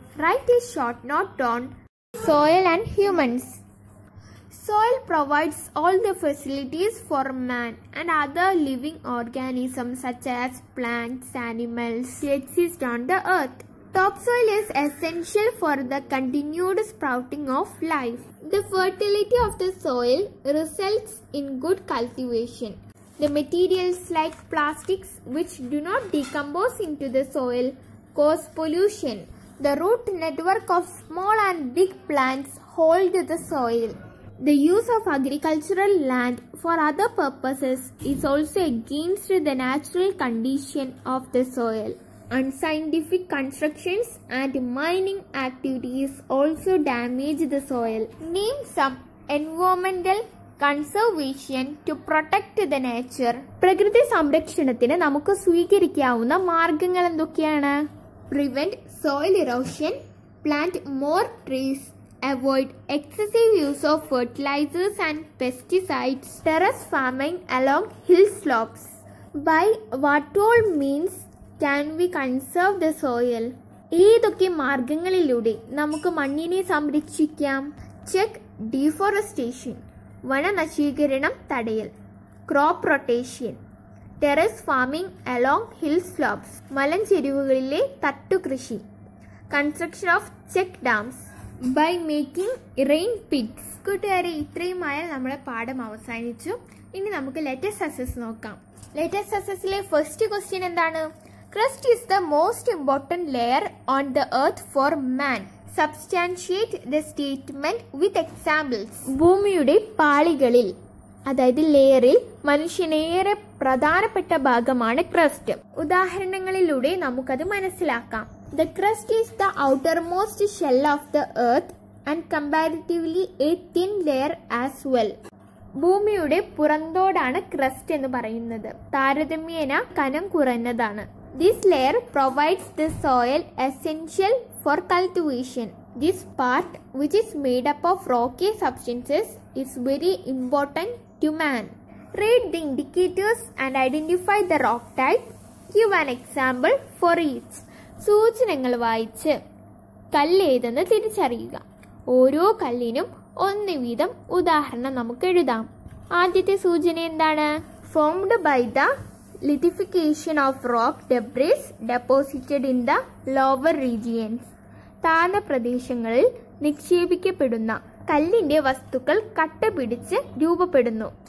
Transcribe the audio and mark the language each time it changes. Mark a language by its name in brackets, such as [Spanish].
[English] Write a short note on soil and humans. Soil provides all the facilities for man and other living organisms such as plants, animals exist on the earth. Top soil is essential for the continued sprouting of life. The fertility of the soil results in good cultivation. The materials like plastics which do not decompose into the soil cause pollution. The root network of small and big plants hold the soil. The use of agricultural land for other purposes is also against the natural condition of the soil. Unscientific constructions and mining activities also damage the soil. Name some environmental conservation to protect the nature. [Malayalam] പ്രകൃതി സംരക്ഷണത്തിന് നമുക്ക് സ്വീകരിക്കാവുന്ന മാർഗങ്ങൾ എന്തൊക്കെയാണ്? [English] Prevent soil erosion, plant more trees, avoid excessive use of fertilizers and pesticides, terrace farming along hill slopes. By what all means can we conserve the soil? [Malayalam] ഏതൊക്കെ മാർഗങ്ങളിലൂടെ നമുക്ക് മണ്ണിനെ സംരക്ഷിക്കാം? [English] check deforestation, [Malayalam] വനനശീകരണം തടയൽ. [English] crop rotation, terrace farming along hill slopes, [Malayalam] മലഞ്ചെരിവുകളിലെ തട്ടുകൃഷി. [English] Construction of check dams by making rain pits. [Malayalam] കൂട്ടുകാരെ, ഇത്രയുമായാൽ നമ്മുടെ പാഠം അവസാനിച്ചു. ഇനി നമുക്ക് ലേറ്റസ്റ്റ് അസസ് നോക്കാം. ലേറ്റസ്റ്റ് അസസിലെ ഫസ്റ്റ് ക്വസ്റ്റ്യൻ എന്താണ്? [English] Crust is the most important layer on the earth for man. Substantiate the statement with examples. [Malayalam] ഭൂമിയുടെ പാളികളിൽ അതായത് ലെയറിൽ മനുഷ്യനേറെ പ്രധാനപ്പെട്ട ഭാഗമാണ് ക്രസ്റ്റ്. ഉദാഹരണങ്ങളിലൂടെ നമുക്കത് മനസ്സിലാക്കാം. [English] The crust is the outermost shell of the earth and comparatively a thin layer as well. [Malayalam] ഭൂമിയുടെ പുറന്തോടാണ് crest എന്ന് പറയുന്നത്, താരതമ്യേന കനം കുറഞ്ഞതാണ്. [English] This layer provides the soil essential for cultivation. This part, which is made up of rocky substances, is very important to man. Read the indicators and identify the rock type. Give an example for each. [Malayalam] സൂചനകൾ വായിച്ച് കല്ല് ഏതെന്ന് തിരിച്ചറിയുക. ഓരോ കല്ലിനും ഒന്ന് വീതം ഉദാഹരണം നമുക്ക് എഴുതാം. ആദ്യത്തെ സൂചന എന്താണ്? [English] Formed by the lithification of rock debris deposited in the lower regions. [Malayalam] താഴ്ന്ന പ്രദേശങ്ങളിൽ നിക്ഷേപിക്കപ്പെടുന്ന കല്ലിന്റെ വസ്തുക്കൾ കട്ട പിടിച്ച് രൂപപ്പെടുന്നു.